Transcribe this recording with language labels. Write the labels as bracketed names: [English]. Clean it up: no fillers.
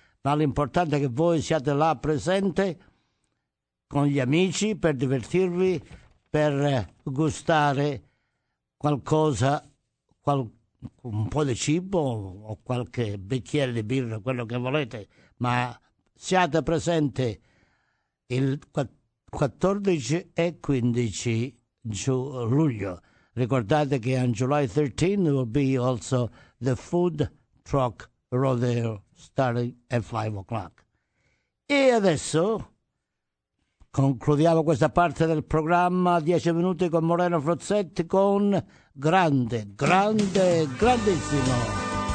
[Italian] Ma l'importante è che voi siate là presente con gli amici per divertirvi, per gustare qualcosa, un po' di cibo o qualche bicchiere di birra, quello che volete, ma siate presenti il 14 e 15 luglio. Ricordate che [English] on July 13 there will be also the food truck rodeo starting at 5 o'clock. [Italian] E adesso concludiamo questa parte del programma, 10 minuti con Moreno Frozzetti, con grande, grande, grandissimo.